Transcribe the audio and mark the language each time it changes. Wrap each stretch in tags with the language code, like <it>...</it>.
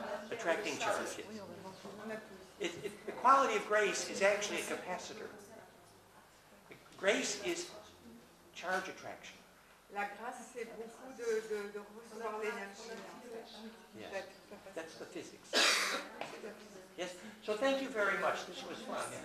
<en>Attracting charge, yes. The quality of grace is actually a capacitor. Grace is charge attraction.</en> <fr>La grâce, c'est beaucoup de recevoir l'énergie.</fr> <en>Yes, that's the physics. Yes, so thank you very much. This was fun.</en>